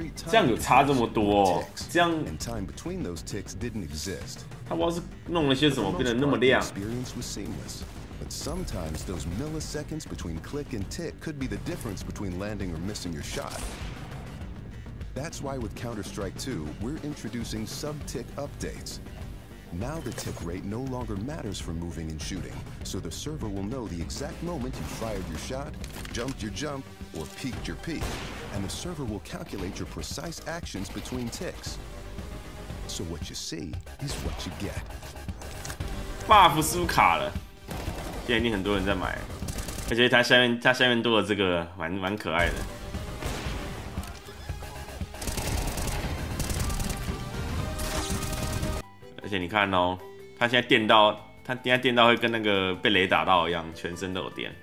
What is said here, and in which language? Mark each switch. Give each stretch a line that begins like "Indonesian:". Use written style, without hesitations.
Chinese: 这样有差这么多、哦，这样。它不知道是弄了些什么变得那么亮。
English: Experience was seamless, but sometimes those milliseconds between click and tick could be the difference between landing or missing your shot. That's why with Counter-Strike 2, we're introducing sub-tick updates. Now the tick rate no longer matters for moving and shooting, so the server will know the exact moment you fired your shot, jumped your jump, or peeked your peek. And the server will calculate your precise actions between ticks. So what you see is what you get.
Chinese: Buff 是不是卡了？现在已经很多人在买，而且它下面多了这个，蛮可爱的。而且你看哦，他现在电到，他现在电到会跟那个被雷打到一样，全身都有电。